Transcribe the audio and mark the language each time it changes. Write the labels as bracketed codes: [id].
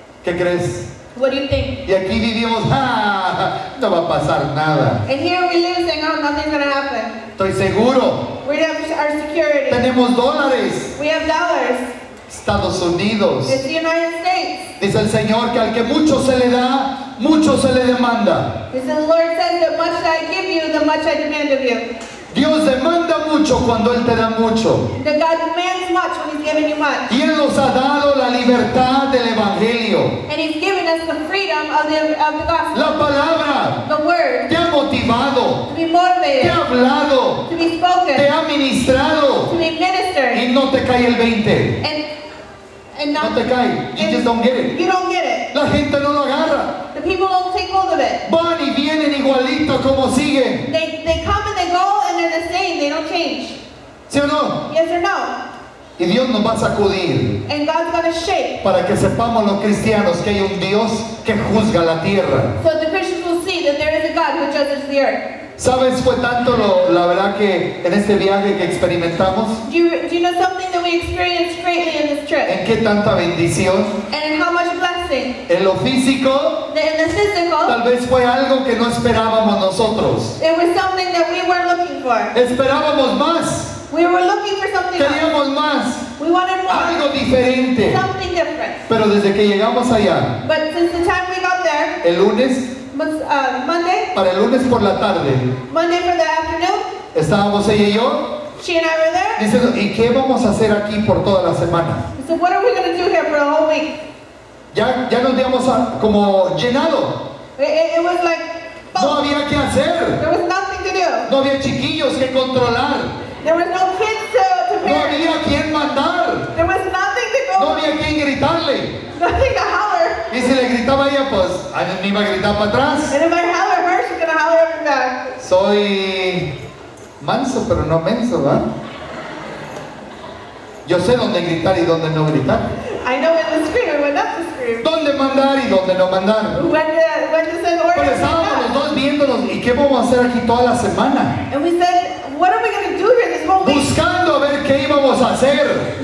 [es] ¿Qué crees? [en] What do you think? [es] Y aquí vivimos, no va a pasar nada. [en] And here we live saying, oh, nothing's gonna happen. [es] Estoy seguro. [en] We have our security. [es] Tenemos dólares. [en] We have dollars. [es] Estados Unidos. [en] It's the United States. [es] Dice el Señor que al que mucho se le da, mucho se le demanda. [en] It's the Lord says that much that I give you, the much I demand of you. [es] Dios demanda mucho cuando Él te da mucho. [en] That God demands much when He's giving you much. [es] Y Él nos ha dado la libertad del Evangelio. [en] And He's given us the freedom of the gospel. [es] La palabra. [en] The word. [es] Te ha motivado. [en] To be motivated. [es] Te ha hablado. [en] To be spoken. [es] Te ha ministrado. [en] To be ministered. [es] Y no te cae el 20. [en] And not, [es] no te cae. [en] You just don't get it. You don't get it. [es] La gente no lo agarra. [en] The people don't take hold of it. [es] Van y vienen igualito como siguen. [en] They come and they go. They don't change. [es] ¿Sí o no? [en] Yes or no? [es] Y Dios nos va a sacudir. [en] And God's gonna shake. [es] Para que sepamos los cristianos que hay un Dios que juzga la tierra. [en] So the Christians will see that there is a God who judges the earth. [es] ¿Sabes fue tanto lo la verdad que en este viaje que experimentamos? [en] Do you know something that we experienced greatly in this trip? [es] ¿En qué tanta bendición? [en] And in how much blessing? [es] En lo físico. [en] In the physical. [es] Tal vez fue algo que no esperábamos nosotros. [en] It was something that we weren't looking for. [es] Esperábamos más. [en] We were looking for something else. [es] Queríamos más. [en] We wanted more. [es] Algo diferente. [en] Something different. [es] Pero desde que llegamos allá. [en] But since the time we got there. [es] El lunes. [en] Monday. [es] Para el lunes por la tarde. [en] Monday for the afternoon. [es] Estábamos ella y yo. [en] She and I were there. [es] Diciendo, ¿y qué vamos a hacer aquí por toda la semana? [en] So what are we going to do here for a whole week? [es] Ya nos habíamos como llenado. [en] It was like, [es] no había que hacer. [en] There was nothing to do. [es] No había chiquillos que controlar. [en] There was no kids to parent. [es] No había quien mandar. [en] There was nothing to go. [es] No había quien gritarle. [en] Nothing to holler. [es] Y si le gritaba ella, pues, ¿no iba a gritar para atrás? [en] And if I holler her, she's gonna holler up and back. [es] Soy manso, pero no menso, ¿va? Yo sé dónde gritar y dónde no gritar. [en] I know when to scream and when not to scream. [es] ¿Dónde mandar y dónde no mandar? [en] When to send orders. [es] Pero estábamos los dos viéndonos, ¿y qué vamos a hacer aquí toda la semana? [en] And we said, what are we going to do here this whole week? [es] Buscando a ver qué íbamos a hacer.